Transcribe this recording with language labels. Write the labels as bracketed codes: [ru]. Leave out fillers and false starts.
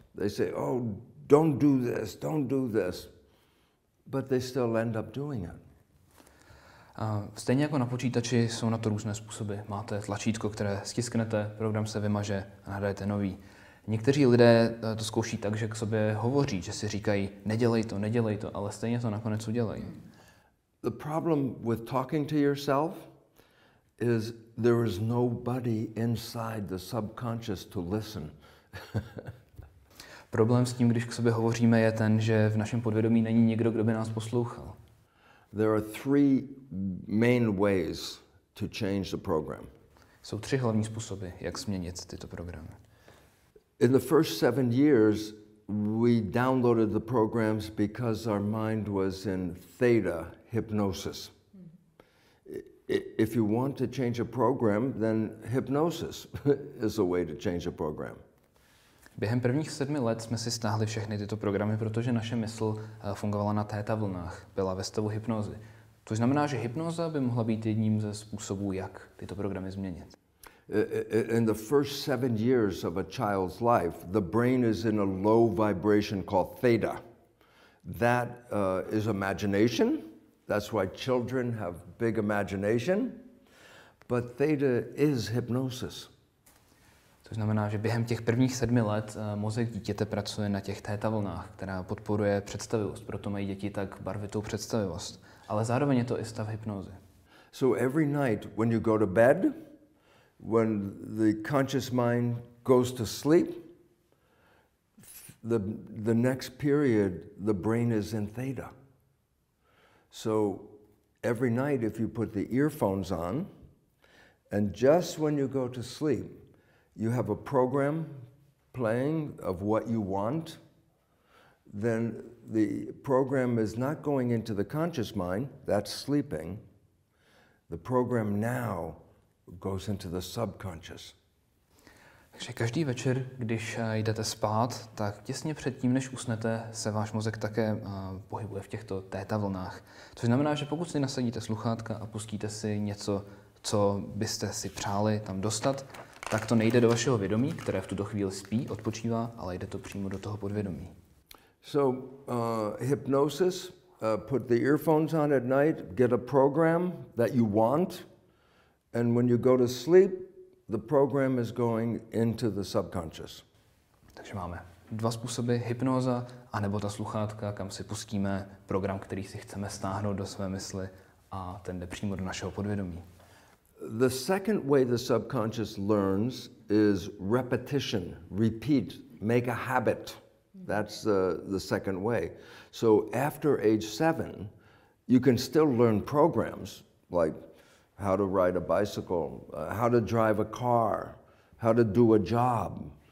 [en] They say, oh, don't do this, don't do this. But they still end up doing it. [cs] Stejně jako na počítači jsou na to různé způsoby. Máte tlačítko, které stisknete, program se vymaže a nahrajete nový. Někteří lidé to zkouší tak, že k sobě hovoří, že si říkají, nedělej to, ale stejně to nakonec udělají. [en] The problem with talking to yourself is there is nobody inside the subconscious to listen. [cs] Problém s tím, když k sobě hovoříme, je ten, že v našem podvědomí není nikdo, kdo by nás poslouchal. [en] There are three main ways to change the program. [cs] Jsou tři hlavní způsoby, jak změnit tyto programy. [en] In the first 7 years, we downloaded the programs because our mind was in theta hypnosis. If you want to change a program, then hypnosis is a way to change a program. [cs] Během prvních 7 let jsme si stáhli všechny tyto programy, protože naše mysl fungovala na theta vlnách, byla ve stavu hypnózy. To znamená, že hypnóza by mohla být jedním ze způsobů, jak tyto programy změnit. [en] In the first 7 years of a child's life, the brain is in a low vibration called theta. That is imagination. That's why children have big imagination, but theta is hypnosis. [cs] To znamená, že během těch prvních 7 let mozek dítěte pracuje na těch theta vlnách, která podporuje představivost. Proto mají děti tak barvitou představivost. Ale zároveň je to i stav hypnózy. [en] So every night when you go to bed, when the conscious mind goes to sleep, the next period the brain is in theta. So every night if you put the earphones on and just when you go to sleep, you have a program playing of what you want, then the program is not going into the conscious mind, that's sleeping. The program now goes into the subconscious. [cs] Takže každý večer, když jdete spát, tak těsně předtím, než usnete, se váš mozek také pohybuje v těchto theta vlnách. Což znamená, že pokud si nasadíte sluchátka a pustíte si něco, co byste si přáli tam dostat, tak to nejde do vašeho vědomí, které v tuto chvíli spí, odpočívá, ale jde to přímo do toho podvědomí. [en] So, hypnosis, put the earphones on at night, get a program that you want, and when you go to sleep, the program is going into the subconscious. [cs] Takže máme dva způsoby, hypnoza a nebo ta sluchátka, kam si pustíme program, který si chceme stáhnout do své mysli a ten jde přímo do našeho podvědomí. [en] The second way the subconscious learns is repetition, repeat, make a habit. That's the second way. So after age 7, you can still learn programs like how to ride a bicycle, how to drive a car, how to do a job.